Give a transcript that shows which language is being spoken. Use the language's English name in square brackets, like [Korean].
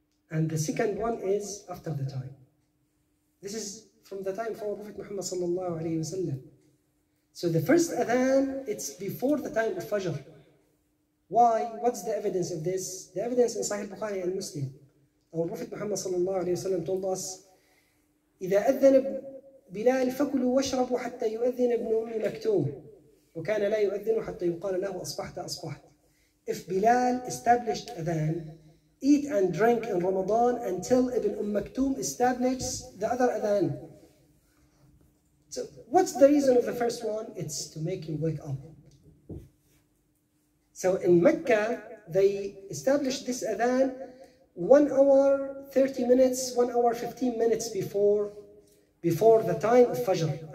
[English] And the second one is after the time. This is from the time for Prophet Muhammad sallallahu alayhi wasallam. So the first adhan, it's before the time of Fajr. Why? What's the evidence of this? The evidence in Sahih Bukhari and Muslim. Our Prophet Muhammad sallallahu alayhi wasallam told us, [Arabic] إِذَا أَذَّنَ بِلَالٍ فَكُلُوا وَاشْرَبُوا حَتَّى يُؤَذِّنَ ابْنُ أُمِّ مَكْتُومٍ وَكَانَ لَا يُؤَذِّنُ حَتَّى يُقَالَ لَهُ أَصْبَحْتَ أَصْبَحْتَ. [English] If Bilal established adhan, eat and drink in Ramadan until Ibn Maktoum establishes the other adhan. So what's the reason of the first one? It's to make you wake up. So in Mecca, they established this adhan 1 hour, 30 minutes, 1 hour, 15 minutes before the time of Fajr.